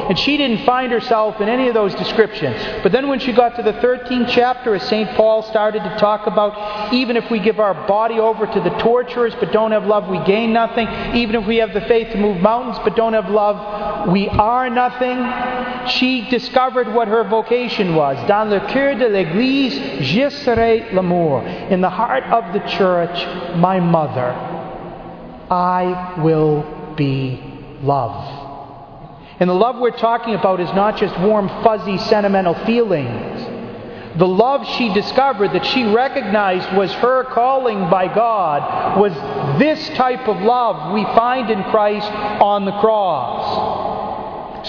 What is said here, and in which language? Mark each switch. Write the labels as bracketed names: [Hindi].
[English] And she didn't find herself in any of those descriptions. But then when she got to the 13th chapter, as St. Paul started to talk about, even if we give our body over to the torturers but don't have love, we gain nothing. Even if we have the faith to move mountains but don't have love, we are nothing. She discovered what her vocation was. [French] Dans le cœur de l'église, je serai l'amour. [English] In the heart of the church, my mother, I will be love. And the love we're talking about is not just warm, fuzzy, sentimental feelings. The love she discovered, that she recognized was her calling by God, was this type of love we find in Christ on the cross.